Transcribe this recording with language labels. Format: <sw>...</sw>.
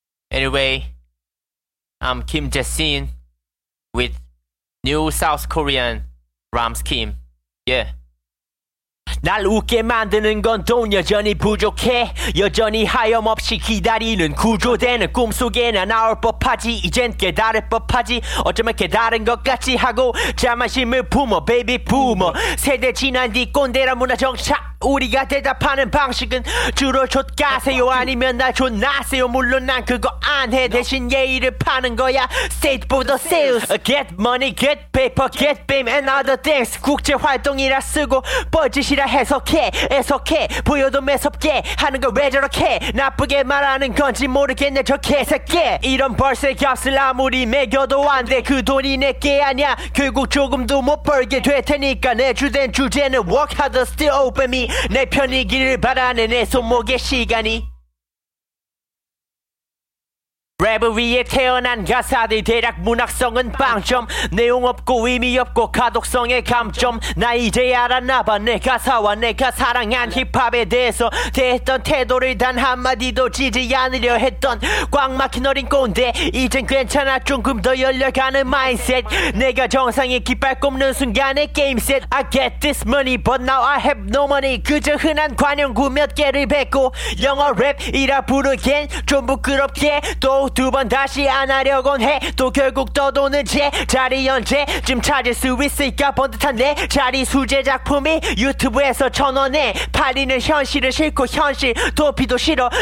<en>Anyway, I'm Kim Jae-sin with New South Korean Rhyme Scheme. Yeah.</en> <ko>날 웃게 만드는 건 돈 여전히 부족해. 여전히 하염없이 기다리는 구조되는 꿈속에 나 나올 법하지. 이젠 깨달을 법하지. 어쩌면 깨달은 것 같지 하고 자만심을 품어 베이비 부머. 세대 지난 뒤 꼰대란 문화 정착. 우리가 대답하는 방식은 주로 좆가세요 아니면 날 좆나세요. 물론 난 그거 안해. 대신 예의를 파는 거야.</ko> <en>State for the sales. Get money, get paper, get fame and other things.</en> <ko>국제활동이라 쓰고 뻘짓이라 해석해. 애석해 보여도 매섭게 하는 걸 왜 저렇게 나쁘게 말하는 건지 모르겠네 저 개새끼. 이런 벌새 값을 아무리 매겨도 안돼. 그 돈이 내게 아니야. 결국 조금도 못 벌게 될 테니까 내 주된 주제는</ko> <en>work harder, stay open.</en> <ko>내 편이기를 바라네. 내 손목에 시간이 랩을 위해 태어난 가사들 대략 문학성은 빵점. 내용 없고 의미 없고 가독성의 감점. 나 이제 알았나 봐. 내 가사와 내가 사랑한 힙합에 대해서 대했던 태도를 단 한마디도 지지 않으려 했던 꽉 막힌 어린 꼰대. 이젠 괜찮아 조금 더 열려가는 마인셋. 내가 정상에 깃발 꼽는 순간의 게임셋.</ko> <en>I get this money but now I have no money.</en> <ko>그저 흔한 관용구 몇 개를 뱉고 영어 랩이라 부르겐 좀 부끄럽게 또 두 번 다시 안 하려곤 해. 또 결국 떠도는 제 자리 언제쯤 찾을 수 있을까. 번듯한 내 자리 수제 작품이 유튜브에서 천원에 팔리는 현실을 싫고 현실 도피도 싫어.</ko>